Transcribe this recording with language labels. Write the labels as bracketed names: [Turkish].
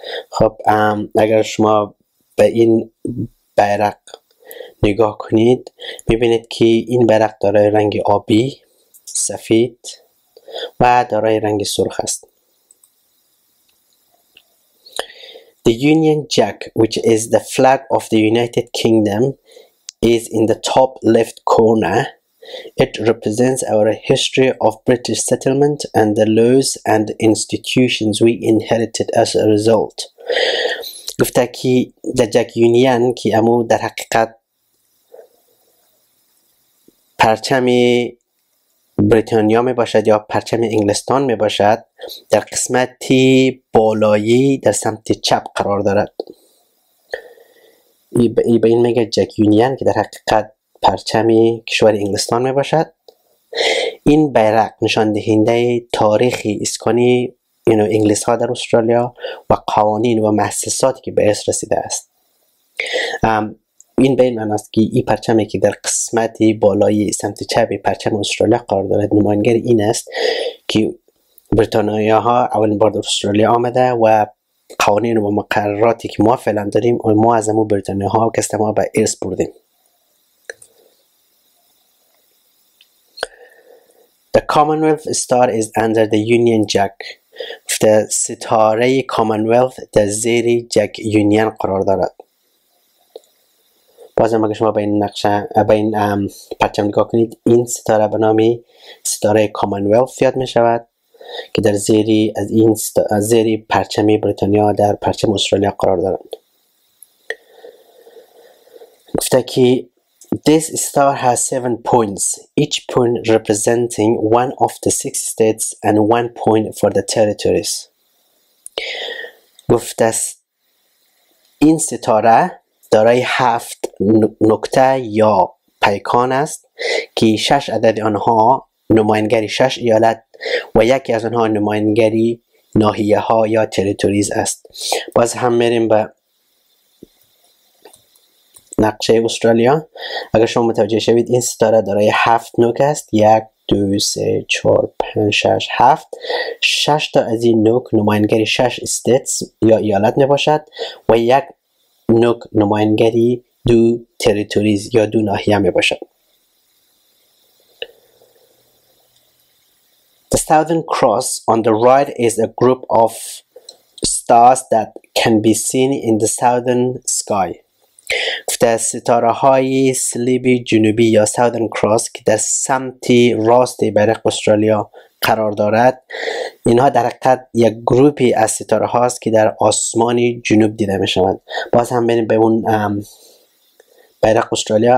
[Persian] خب، اگر شما به این بیرق نگاه کنید میبینید که این بیرق دارای رنگ آبی، سفید و دارای رنگ سرخ است. [English] The Union Jack, which is the flag of the United Kingdom, is in the top left corner. It represents our history of British settlement and the laws and institutions we inherited as a result. [Persian] گفته که جک یونین که امو در حقیقت پرچم بریتانیا می باشد یا پرچم انگلستان می باشد، در قسمتی بالایی در سمت چپ قرار دارد. ای به این میگه جک یونین که در حقیقت پرچم کشور انگلستان می باشد. این بیرق نشان دهنده تاریخ اسکانی انگلیس ها در استرالیا و قوانین و مؤسساتی که به اس رسیده است. این به این معنی است که این پرچمی که در قسمت بالای سمت چپ پرچم استرالیا قرار دارد نمایانگر این است که بریتانیا ها اولین بار در استرالیا آمده و قوانین و مقرراتی که ما فعلا داریم و ما از امو بریتانیا ها و کست ما به ارث بردیم. [English] The Commonwealth Star is under the Union Jack. [Persian] The ستاره Commonwealth در زیر Jack Union قرار دارد. بازم اگر شما به این نقشه به این پرچم نگاه کنید، این ستاره به نام ستاره Commonwealth یاد می شود که در زیر از این زیر پرچم بریتانیا در پرچم استرالیا قرار دارد. گفته که [English] This star has 7 points, each point representing one of the 6 states and one point for the territories. [Persian] گفت است این ستاره دارای 7 نقطه یا پیکان است که 6 عدد آنها نماینگری 6 ایالت و یکی از آنها نماینگری ناحیه ها یا تریتوریز است. باز هم میریم به نقشه استرالیا. اگر شما متوجه شوید این ستاره دارای 7 نوک است. [English] 1, 2, 3, 4, 5, 6, 7. [Persian] 6 تا از این نوک نماینگری 6 استیتس یا ایالت می باشد و یک نوک نماینگری 2 تریتوریز یا 2 ناحیه می باشد. [English] The Southern Cross on the right is a group of stars that can be seen in the southern sky. [Persian] گفته ستاره های صلیبی جنوبی یا southern cross که در سمت راست برق استرالیا قرار دارد، اینها در حقیقت یک گروپی از ستاره هاست که در آسمان جنوب دیده می شوند. باز هم بریم به اون برق استرالیا.